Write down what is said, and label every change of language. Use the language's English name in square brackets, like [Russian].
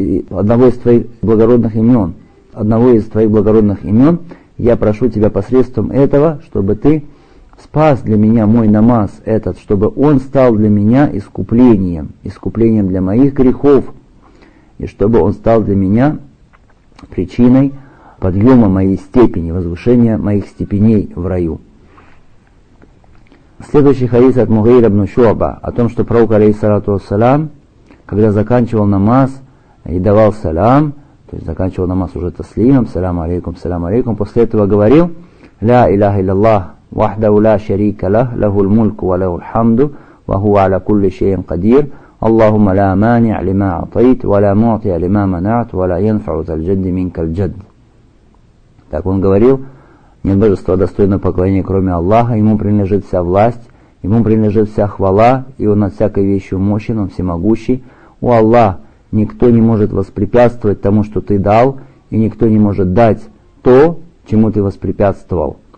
[Russian] одного из твоих благородных имен, одного из твоих благородных имен, я прошу тебя посредством этого, чтобы ты спас для меня мой намаз этот, чтобы он стал для меня искуплением, искуплением для моих грехов, и чтобы он стал для меня причиной подъема моей степени, возвышения моих степеней в раю». Следующий хадис от Мугаира ибн Шуаба о том, что пророк, алейхиссалату вассалям, когда заканчивал намаз и давал салям, то есть заканчивал намаз уже таслимом, салям алейкум, после этого говорил «Ля иляха илляллах». [Arabic] وحده لا شريك له له الملك وله الحمد وهو على كل شيء قدير اللهم لا مانع لما أعطيت ولا معطي لما منعت ولا ينفع ذا الجد منك الجد. [Russian] Так он говорил: нет божества достойного поклонения, кроме Аллаха, ему принадлежит вся власть, ему принадлежит вся хвала, и он над всякой вещью мощен, он всемогущий. У Аллаха никто не может воспрепятствовать тому, что ты дал, и никто не может дать то, чему ты воспрепятствовал.